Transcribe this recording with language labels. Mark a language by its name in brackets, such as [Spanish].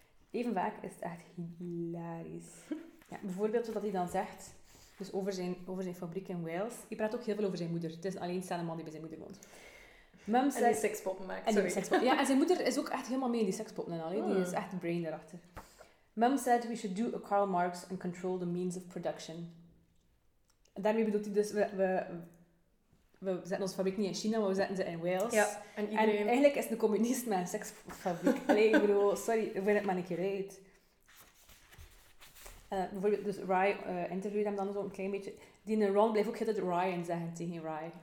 [Dutch] Even vaak is het echt hilarisch. Ja, bijvoorbeeld wat hij dan zegt, dus over zijn fabriek in Wales. Hij praat ook heel veel over zijn moeder. Het is alleen staan een man die bij zijn moeder woont. Mums en die sekspoppen maakt. En die sekspoppen. Ja, en zijn moeder is ook echt helemaal mee in die sekspoppen en al. Die is echt brain erachter. [English] Mum said we should do a Karl Marx and control the means of production. [Dutch] En daarmee bedoelt hij dus, we zetten onze fabriek niet in China, maar we zetten ze in Wales. Ja, en iedereen... En eigenlijk is de communist met een seksfabriek. Allee, ik bedoel, sorry, we vinden het maar een keer uit. Bijvoorbeeld, dus Rye interviewde hem dan zo een klein beetje. Die Ron bleef ook altijd Ryan zeggen tegen Rye.